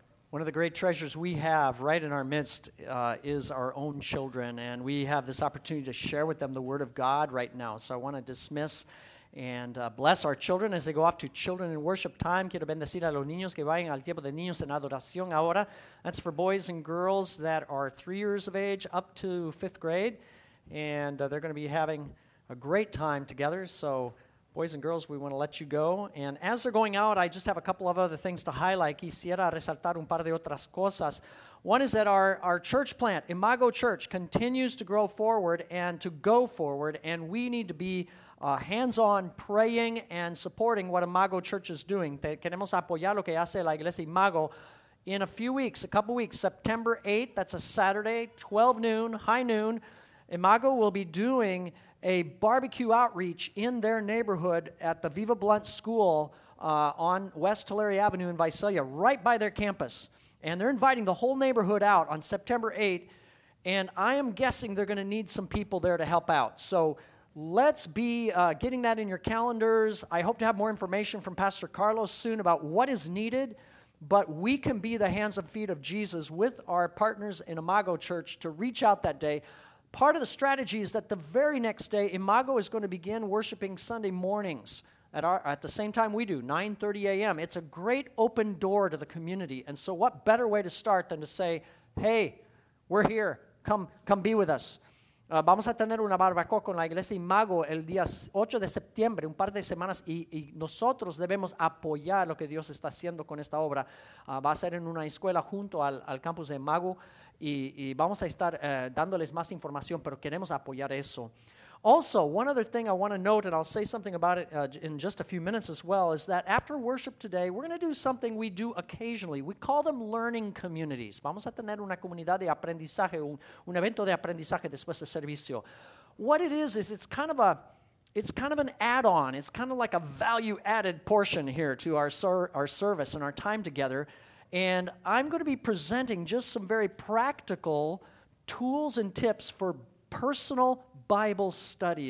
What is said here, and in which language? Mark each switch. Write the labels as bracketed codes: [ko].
[en] One of the great treasures we have right in our midst is our own children, and we have this opportunity to share with them the Word of God right now. So I want to dismiss and bless our children as they go off to children in worship time. [es] Quiero bendecir a los niños que vayan al tiempo de niños en adoración ahora. [en] That's for boys and girls that are 3 years of age up to fifth grade, and they're going to be having a great time together. So boys and girls, we want to let you go. And as they're going out, I just have a couple of other things to highlight. [es] Quisiera resaltar un par de otras cosas. [en] One is that our church plant, Imago Church, continues to grow forward and to go forward, and we need to be hands-on praying and supporting what Imago Church is doing. [es] Queremos apoyar lo que hace la iglesia Imago. [en] In a couple weeks, September 8th, that's a Saturday, 12 noon, high noon, Imago will be doing a barbecue outreach in their neighborhood at the Viva Blunt School on West Tulare Avenue in Visalia, right by their campus. And they're inviting the whole neighborhood out on September 8th, and I am guessing they're going to need some people there to help out. So let's be getting that in your calendars. I hope to have more information from Pastor Carlos soon about what is needed, but we can be the hands and feet of Jesus with our partners in Imago Church to reach out that day. Part of the strategy is that the very next day, Imago is going to begin worshiping Sunday mornings at the same time we do, 9:30 a.m. It's a great open door to the community. And so what better way to start than to say, hey, we're here. Come be with us. [es] Vamos a tener una barbacoa con la iglesia Imago el día 8 de septiembre, un par de semanas, y nosotros debemos apoyar lo que Dios está haciendo con esta obra. Va a ser en una escuela junto al campus de Imago, y vamos a estar dándoles más información, pero queremos apoyar eso. [en] Also, one other thing I want to note, and I'll say something about it in just a few minutes as well, is that after worship today, we're going to do something we do occasionally. We call them learning communities. [es] Vamos a tener una comunidad de aprendizaje, un evento de aprendizaje después del servicio. [en] What it is it's kind of an add-on. It's kind of like a value-added portion here to our service and our time together. And I'm going to be presenting just some very practical tools and tips for personal Bible study.